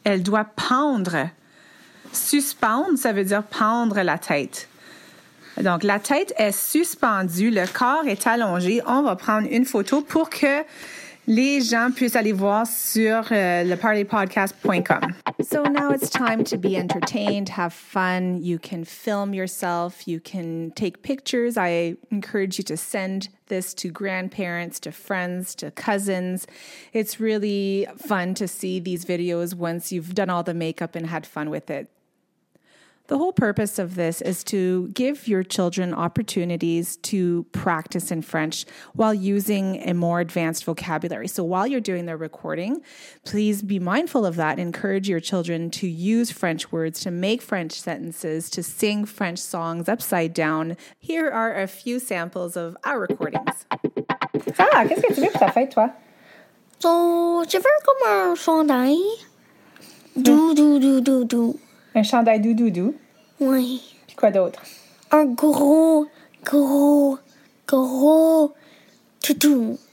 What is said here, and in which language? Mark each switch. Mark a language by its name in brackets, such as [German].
[French] Elle doit pendre. Suspendre, ça veut dire pendre la tête. Donc, la tête est suspendue. Le corps est allongé. On va prendre une photo pour que les gens puissent aller voir sur leparleypodcast.com. [English] So now it's time to be entertained, have fun. You can film yourself. You can take pictures. I encourage you to send this to grandparents, to friends, to cousins. It's really fun to see these videos once you've done all the makeup and had fun with it. The whole purpose of this is to give your children opportunities to practice in French while using a more advanced vocabulary. So while you're doing the recording, please be mindful of that. Encourage your children to use French words, to make French sentences, to sing French songs upside down. Here are a few samples of our recordings. [French] Ah, qu'est-ce que tu veux pour ta fête, toi? So, je veux comme un chandail. Dou, dou, dou, dou, dou. Un chandail doudou-doudou? Oui. Puis quoi d'autre? Un gros toutou.